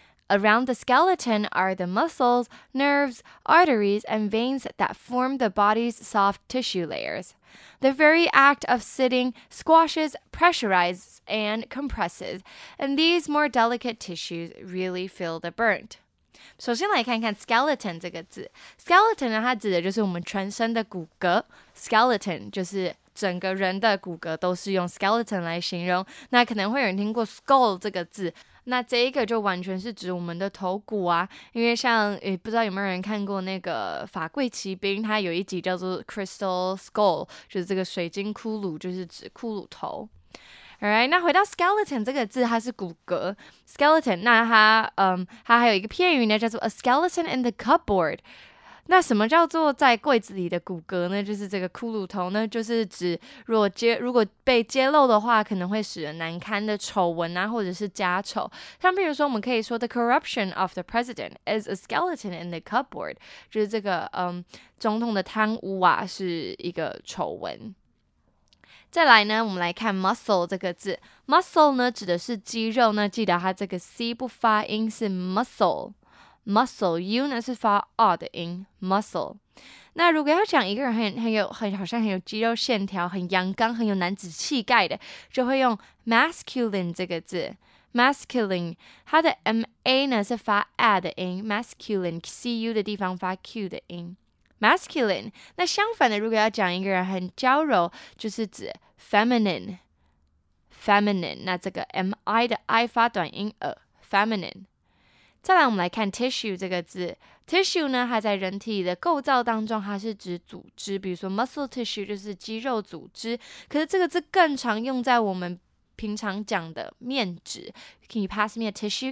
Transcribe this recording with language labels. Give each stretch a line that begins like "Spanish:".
English: Around the skeleton are the muscles, nerves, arteries, and veins that form the body's soft tissue layers. The very act of sitting squashes, pressurizes, and compresses, and these more delicate tissues really feel the burnt.
Chinese: 首先来看看 skeleton 这个字 ，skeleton 呢，它指的就是我们全身的骨骼 ，skeleton 就是。整个人的骨骼都是用 skeleton 来形容，那可能会有人听过 skull 这个字，那这一个就完全是指我们的头骨啊，因为像不知道有没有人看过那个法柜奇兵，它有一集叫做 crystal skull， 就是这个水晶骷髅，就是指骷髅头。 Alright， 那回到 skeleton 这个字，它是骨骼 skeleton， 那它它还有一个片语呢，叫做
English: a skeleton in the cupboard。
Chinese: 那什么叫做在柜子里的骨骼呢？就是这个骷髅头呢，就是指如果被揭露的话，可能会使人难堪的丑闻啊，或者是家丑。像比如说，我们可以说
English: The corruption of the president is a skeleton in the cupboard，
Chinese: 就是这个总统的贪污啊，是一个丑闻。再来呢，我们来看 muscle 这个字 ，muscle 呢指的是肌肉，那记得它这个 c 不发音是 muscle。 Muscle，U 呢是发 R 的音 ，Muscle。那如果要讲一个人很有肌肉线条，很阳刚，很有男子气概的，就会用 masculine 这个字 ，masculine。它的 M A 呢是发 A 的音 ，masculine，C U 的地方发 Q 的音 ，masculine。那相反的，如果要讲一个人很娇柔，就是指 feminine，feminine。那这个 M I 的 I 发短音 ，feminine。再来我们来看 tissue 这个字 tissue 呢它在人体的构造当中它是指组织比如说 muscle tissue 就是肌肉组织可是这个字更常用在我们平常讲的面纸
English: Can you pass me a tissue?